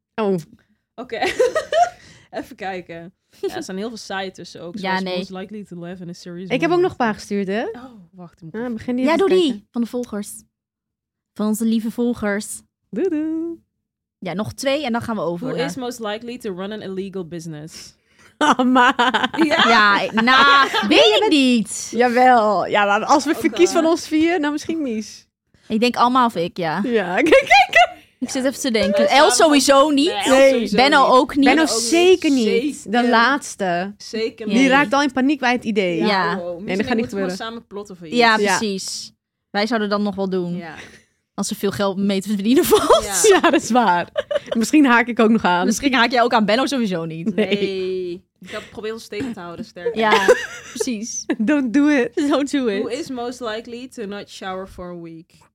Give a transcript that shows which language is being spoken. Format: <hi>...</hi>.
<nl>Oh. Oké. Even kijken. Ja, er zijn heel veel saaien tussen ook.</nl> <en>Ja, nee. Most likely to live in a series.</en> <nl>Ik heb ook nog een paar gestuurd, hè? Oh, wacht. Ja, begin die ja doe die. Van de volgers. Van onze lieve volgers. Doei, doei. Ja, nog twee en dan gaan we over.</nl> <en>Who is most likely to run an illegal business?</en> <nl>Amma. Ja, nou, weet ik niet. Jawel. Ja, maar als we verkies van ons vier, nou misschien Mies. Ik denk Amma of ik, ja. Ja, kijk. Ik zit even te denken. El sowieso niet. Nee. Benno ook niet. Benno zeker niet. De laatste. Zeker niet. Die raakt al in paniek bij het idee. Ja. En dan gaat niet gebeuren. We moeten samen plotten voor iets. Ja, precies. Wij zouden dan nog wel doen. Ja. Als ze veel geld mee te verdienen valt. Ja. Ja, dat is waar. Misschien haak ik ook nog aan. Misschien haak jij ook aan Benno sowieso niet. Nee. Ik heb geprobeerd ons tegen te houden, sterk. Ja, precies.</nl> <en>Don't do it. Don't do it. Who is most likely to not shower for a week?</en>